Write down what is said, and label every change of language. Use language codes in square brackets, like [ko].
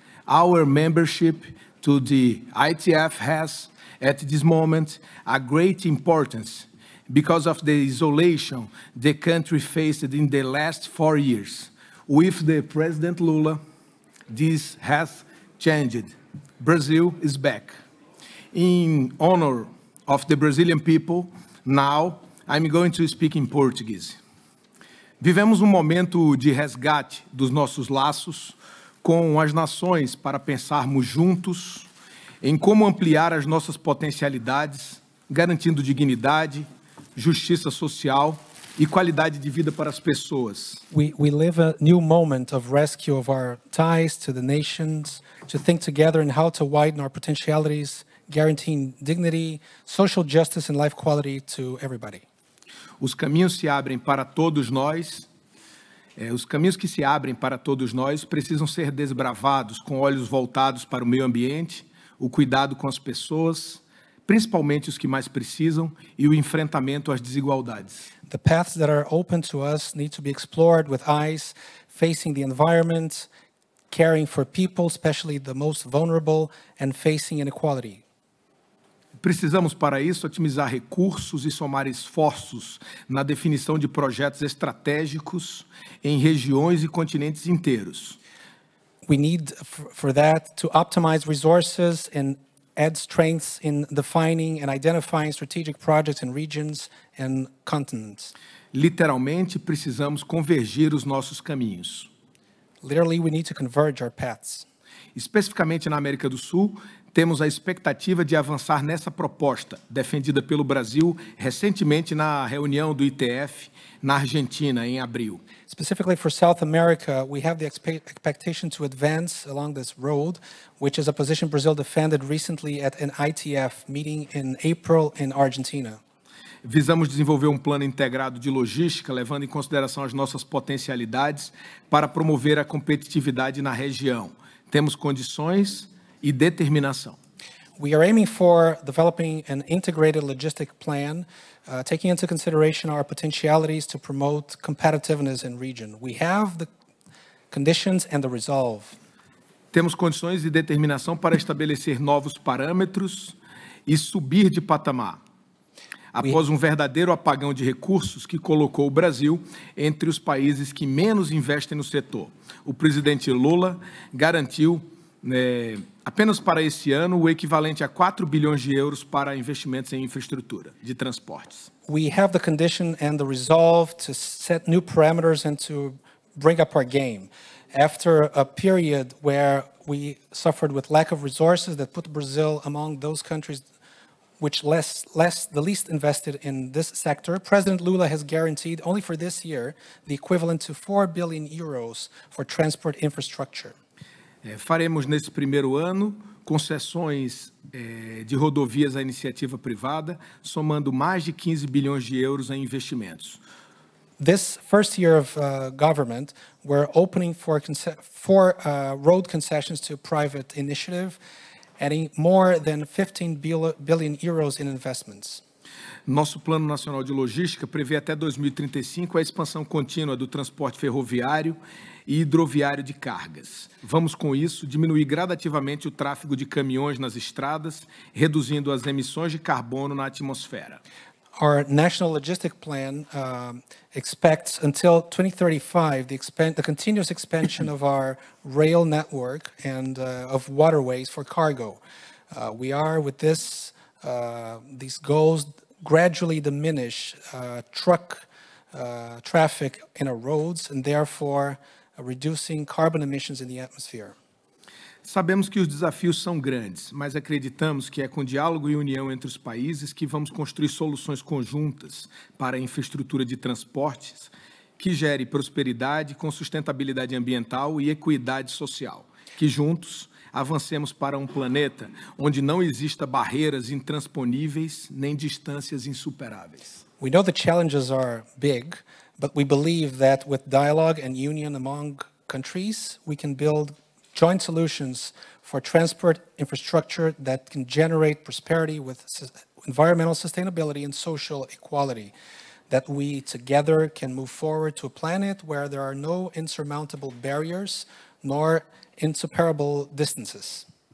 [en] Our membership to the ITF has, at this moment, a great importance because of the isolation the country faced in the last 4 years. With the President Lula, this has changed. Brazil is back. In honor of the Brazilian people, now I'm going to speak in Portuguese. [pt] Vivemos momento de resgate dos nossos laços com as nações para pensarmos juntos em como ampliar as nossas potencialidades, garantindo dignidade, justiça social e qualidade de vida para as pessoas. [en] We live a new moment of rescue of our ties to the nations, to think together in how to widen our potentialities, guaranteeing dignity, social justice and life quality to everybody. [pt] Os caminhos se abrem para todos nós. Os caminhos que se abrem para todos nós precisam ser desbravados com olhos voltados para o meio ambiente, o cuidado com as pessoas, principalmente os que mais precisam, e o enfrentamento às desigualdades. [en] The paths that are open to us need to be explored with eyes facing the environment, caring for people, especially the most vulnerable, and facing inequality. [pt] Precisamos, para isso, otimizar recursos e somar esforços na definição de projetos estratégicos em regiões e continentes inteiros. [en] We need, for that, to optimize resources and add strengths in defining and identifying strategic projects in regions and continents. [pt] Literalmente, precisamos convergir os nossos caminhos. [en] Literally, we need to converge our paths. [pt] Especificamente na América do Sul, temos a expectativa de avançar nessa proposta, defendida pelo Brasil recentemente na reunião do ITF na Argentina, em abril. [en] Specifically for South America, we have the expectation to advance along this road, which is a position Brazil defended recently at an ITF meeting in April in Argentina. [pt] Visamos desenvolver plano integrado de logística, levando em consideração as nossas potencialidades para promover a competitividade na região. Temos condições e determinação. [en] We are aiming for developing an integrated logistic plan, taking into consideration our potentialities to promote competitiveness in region. We have the conditions and the resolve. [pt] Temos condições e determinação para estabelecer novos parâmetros e subir de patamar. Após verdadeiro apagão de recursos que colocou o Brasil entre os países que menos investem no setor, o presidente Lula garantiu, apenas para esse ano, o equivalente a 4 bilhões de euros para investimentos em infraestrutura de transportes. [en] We have the condition and the resolve to set new parameters and to bring up our game. After a period where we suffered with lack of resources that put Brazil among those countries which the least invested in this sector, President Lula has guaranteed only for this year the equivalent to 4 billion euros for transport infrastructure. [pt] Faremos nesse primeiro ano concessões de rodovias à iniciativa privada, somando mais de 15 bilhões de euros em investimentos. [en] This first year of government, we're opening for road concessions to private initiative, adding more than 15 billion euros in investments. [pt] Nosso Plano Nacional de Logística prevê até 2035 a expansão contínua do transporte ferroviário e hidroviário de cargas. Vamos, com isso, diminuir gradativamente o tráfego de caminhões nas estradas, reduzindo as emissões de carbono na atmosfera. [en] Our National Logistic Plan expects until 2035 the continuous expansion of our rail network and of waterways for cargo. We are with this, these goals gradually diminish truck traffic in our roads and therefore reducing carbon emissions in the atmosphere. [pt] Sabemos que os desafios são grandes, mas acreditamos que é com diálogo e união entre os países que vamos construir soluções conjuntas para a infraestrutura de transportes que gere prosperidade com sustentabilidade ambiental e equidade social. Que juntos avancemos para um planeta onde não exista barreiras intransponíveis nem distâncias insuperáveis. [en] We know the challenges are big, but we believe that with dialogue and union among countries, we can build joint solutions for transport infrastructure that can generate prosperity with environmental sustainability and social equality, that we together can move forward to a planet where there are no insurmountable barriers nor insuperable distances.